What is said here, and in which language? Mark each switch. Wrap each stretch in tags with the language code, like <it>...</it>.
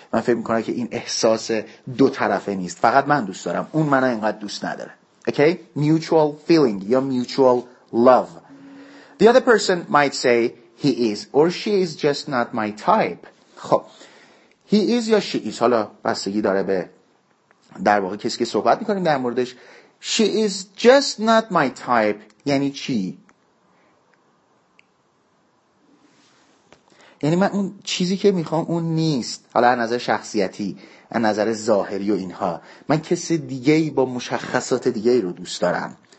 <fa>من فکر میکنم که این احساس دو طرفه نیست، فقط من دوست دارم، اون منو اینقدر دوست نداره.</fa> <en>Okay, mutual feeling یا mutual love. The other person might say he is or she is just not my type.</en> <fa>خب</fa> <en>he is</en> <fa>یا</fa> <en>she is</en> <fa>حالا بستگی داره به در واقع کسی که صحبت میکنیم در موردش.</fa> <en>She is just not my type</en> <fa>یعنی چی؟ یعنی من اون چیزی که میخوام اون نیست، حالا از نظر شخصیتی، از نظر ظاهری و اینها، من کسی دیگه‌ای با مشخصات دیگه‌ای رو دوست دارم.</fa>